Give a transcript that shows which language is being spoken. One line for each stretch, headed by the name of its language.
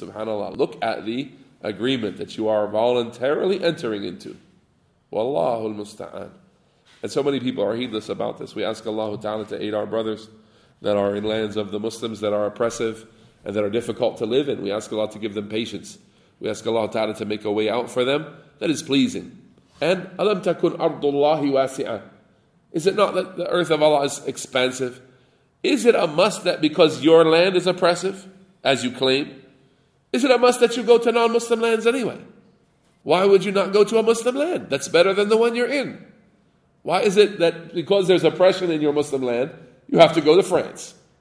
English: SubhanAllah, look at the agreement that you are voluntarily entering into. Wallahu al-musta'an. And so many people are heedless about this. We ask Allah Ta'ala to aid our brothers that are in lands of the Muslims that are oppressive and that are difficult to live in. We ask Allah to give them patience. We ask Allah Ta'ala to make a way out for them that is pleasing.
Arabic: And أَلَمْ تَكُنْ أَرْضُ اللَّهِ وَاسِعًا.
English: Is it not that the earth of Allah is expansive? Is it a must that because your land is oppressive, as you claim, Is it a must that you go to non-Muslim lands anyway? Why would you not go to a Muslim land? That's better than the one you're in. Why is it that because there's oppression in your Muslim land, you have to go to France?